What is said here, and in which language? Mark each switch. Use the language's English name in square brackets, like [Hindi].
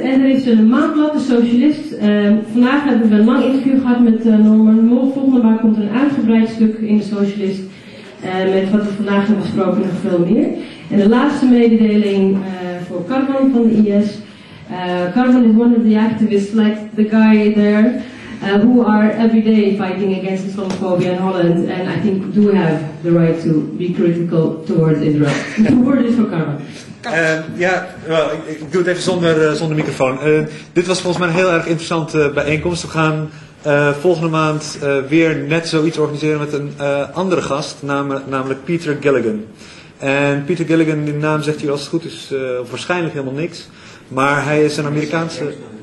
[Dutch] En er is een maandblad, de Socialist. Vandaag hebben we een lang interview gehad met Norman Mol. Volgende maand komt een uitgebreid stuk in de Socialist. Met wat we vandaag hebben gesproken nog veel meer. En de laatste mededeling voor Carmen van de IS. [English] Carmen is one of the activists, like the guy there. who are every day fighting against Islamophobia in Holland, and I think do have the right to be critical towards Israel. The word is for Carmen. [Dutch] Ja, well, ik doe het even zonder microfoon. Dit was volgens mij een heel erg interessante bijeenkomst. We gaan volgende maand weer net zoiets organiseren met een andere gast, namelijk Peter Gilligan. En Peter Gilligan, die naam zegt hier als het goed is waarschijnlijk helemaal niks, maar hij is een Amerikaanse...